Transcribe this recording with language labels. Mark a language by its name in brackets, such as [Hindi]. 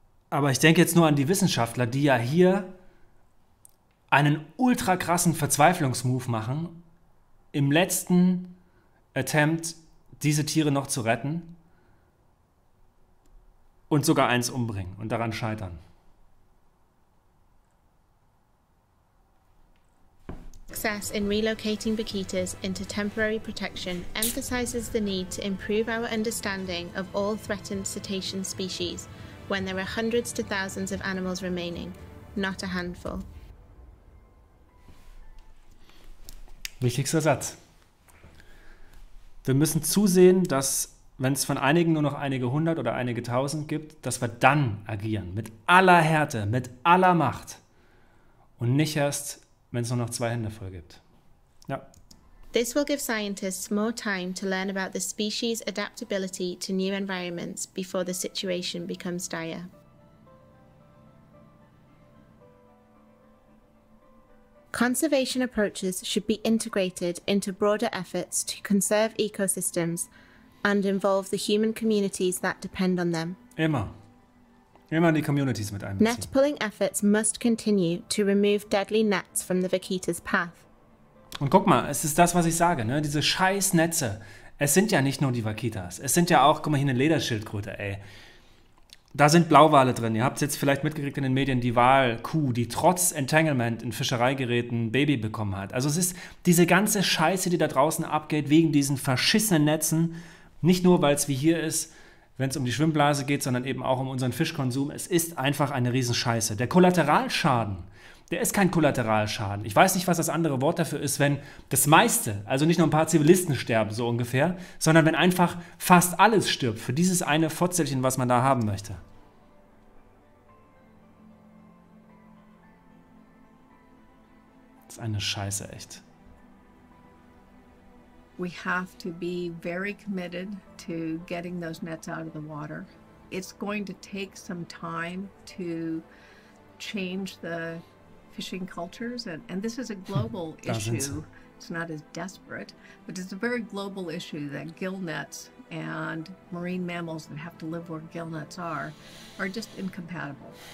[German] Aber ich denke jetzt nur an die Wissenschaftler, die ja hier einen ultra krassen Verzweiflungsmove machen, im letzten Attempt, diese Tiere noch zu retten und sogar eins umbringen und daran scheitern. [English] Success in relocating vaquitas into temporary protection emphasizes the need to improve our understanding of all threatened cetacean species when there are hundreds to thousands of animals remaining, not a handful. [German] Wichtigster Satz. Wir müssen zusehen, dass, wenn es von einigen nur noch einige hundert oder einige tausend gibt, dass wir dann agieren, mit aller Härte, mit aller Macht und nicht erst, wenn es nur noch zwei Hände voll gibt. Ja. [English] This will give scientists more time to learn about the species' adaptability to new environments before the situation becomes dire. Conservation approaches should be integrated into broader efforts to conserve ecosystems and involve the human communities that depend on them. [German] Immer. Immer die Communities mit einbeziehen. [English] Net pulling efforts must continue to remove deadly nets from the vaquita's path. [German] Und guck mal, es ist das, was ich sage, ne? Diese scheiß Netze. Es sind ja nicht nur die Vaquitas. Es sind ja auch, guck mal hier, eine Lederschildkröte, ey. Da sind Blauwale drin. Ihr habt es jetzt vielleicht mitgekriegt in den Medien, die Walkuh, die trotz Entanglement in Fischereigeräten ein Baby bekommen hat. Also es ist diese ganze Scheiße, die da draußen abgeht, wegen diesen verschissenen Netzen. Nicht nur, weil es wie hier ist, wenn es um die Schwimmblase geht, sondern eben auch um unseren Fischkonsum. Es ist einfach eine Riesenscheiße. Der Kollateralschaden, der ist kein Kollateralschaden. Ich weiß nicht, was das andere Wort dafür ist, wenn das meiste, also nicht nur ein paar Zivilisten sterben, so ungefähr, sondern wenn einfach fast alles stirbt für dieses eine Fotzelchen, was man da haben möchte. Das ist eine Scheiße, echt. [English] We have to be very committed to getting those nets out of the water. It's going to take some time to change the fishing cultures, and this is a global issue. It's not as desperate, but it's a very global issue that gill nets and marine mammals that have to live where gill nets are just incompatible.